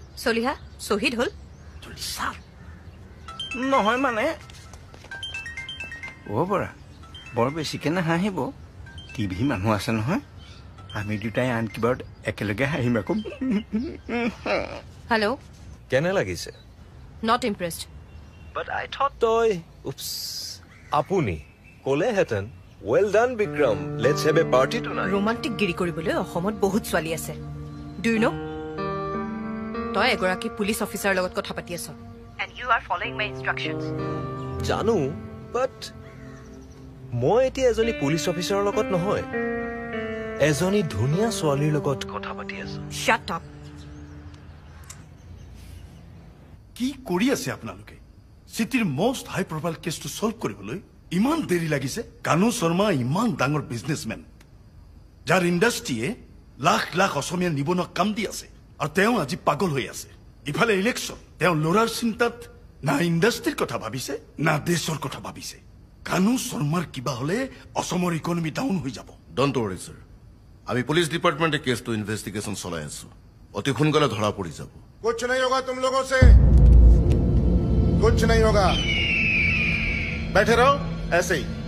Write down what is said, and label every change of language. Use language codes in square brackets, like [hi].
[as] চলিহা, শ্বহীদ হল নহয় মানে? অ বৰা, বৰ বেছিকে নাহাঁহিব, টিভি মানুহ আছে নহয়, আমি দুটাই আন কিবাৰত একেলগে হাঁহিম আকৌ। হেল্ল', কেনে লাগিছে? [en] not impressed, but I thought তই oops, [as] আপুনি কলেহেতেন, [en] Well done Vikram, let's have a party tonight. [as] Romantic গিৰি কৰিবলৈ অসমত বহুত ছোৱালী আছে, [en] Do you know? [as] তই এগৰাকী পুলিচ অফিচাৰৰ লগত কথা পাতি আছ, [en] And you are following my instructions. [as] জানো, বাট মই এতিয়া এজনী পুলিচ অফিচাৰৰ লগত নহয়, এজনী ধুনীয়া ছোৱালীৰ লগত কথা পাতি আছো। [en] Shut up! [as] কি কৰি আছে আপোনালোকে? চিটিৰ মোষ্ট হাই প্ৰফাইল কেছটো ছল্ভ কৰিবলৈ ইমান দেৰি লাগিছে? কানু শৰ্মা ইমান ডাঙৰ বিজনেছমেন, যাৰ ইণ্ডাষ্ট্ৰীয়ে লাখ লাখ অসমীয়া নিবনুৱাক কাম দি আছে, আৰু তেওঁ আজি পাগল হৈ আছে। ইফালে ইলেকশ্যন, তেওঁ ল'ৰাৰ চিন্তাত না ইণ্ডাষ্ট্ৰীৰ কথা ভাবিছে, না দেশৰ কথা ভাবিছে। কানু শর্মার কিবা হলে অসমর ইকোনমি ডাউন হয়ে যাব। [en] don't worry sir, [as] আমি পুলিশ ডিপার্টমেন্টে কেসটো ইনভেস্টিগেশন চলাই আছো, অতি সোনকালে ধরা পড়ে যাব। [hi] কুছ নাই হোগা তুম লোগো সে, কুছ নাই হোগা, বেঠে রহো এসে হি।